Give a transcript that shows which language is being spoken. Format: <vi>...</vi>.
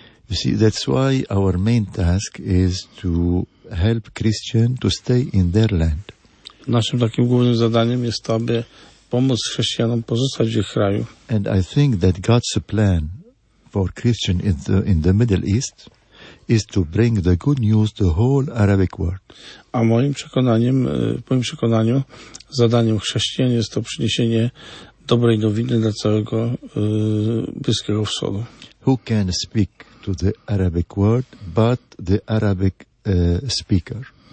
<en>You see, that's why our main task is to help Christians to stay in their land.</en> <pl>Naszym takim głównym zadaniem jest to, aby pomóc chrześcijanom pozostać w ich kraju.</pl> <en>And I think that God's plan for Christian in the Middle East is to bring the good news to whole Arabic world.</en> <pl>A moim przekonaniu, zadaniem chrześcijan jest to przyniesienie dobrej nowiny dla całego Bliskiego Wschodu.</pl> <en>Who can speak to the Arabic world but the Arabic speaker?</en>